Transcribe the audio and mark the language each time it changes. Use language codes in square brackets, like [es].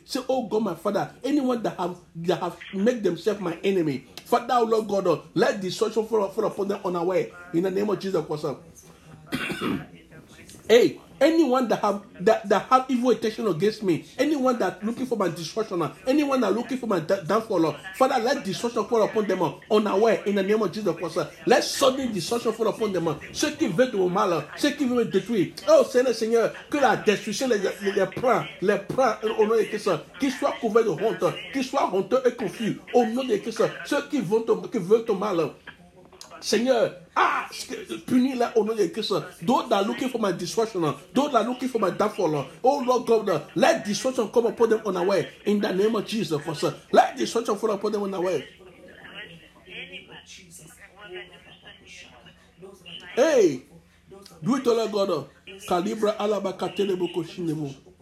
[en] Say, oh God, my Father, anyone that have made themselves my enemy, Father, Lord God, let destruction fall upon them on our way in the name of Jesus Christ. Hey. Anyone that have evil intention against me, anyone that looking for my destruction, anyone that looking for my downfall, Father, let destruction fall upon them unaware in the name of Jesus Christ. Let sudden destruction fall upon them. [fr] Ce qui veut du mal, ce qui veut détruire. Oh Seigneur, que la destruction les prend au nom de Christ, qu'ils soient couverts de honte, qu'ils soient honteux et confus au nom de Christ. Ceux qui veulent ton mal, Seigneur. Punis les au nom de Christ. [en] Those that are looking for my destruction, those that are looking for my downfall, oh Lord God, let destruction come upon them on our way in the name of Jesus. Let destruction fall upon them on our way. Hey, do it, Lord God. Calibra alaba katelebo koshinemo.